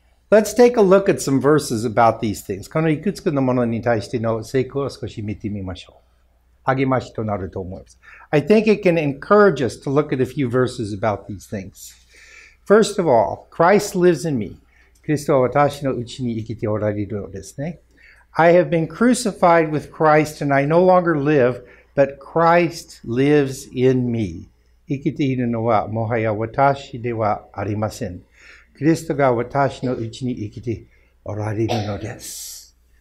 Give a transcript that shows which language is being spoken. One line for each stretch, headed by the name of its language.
English: Let's take a look at some verses about these things.
Japanese: このいくつかのものに対しての成功を少し見てみましょう。励ましとなると思います。
English: I think it can encourage us to look at a few verses about these things. First of all, Christ lives in me.
Japanese: キリストは私のうちに生きておられるのですね。
English: I have been crucified with Christ and I no longer live, but Christ lives in me.
Japanese: 生きているのはもはや私ではありません。キリストが私のうちに生きておられるのです。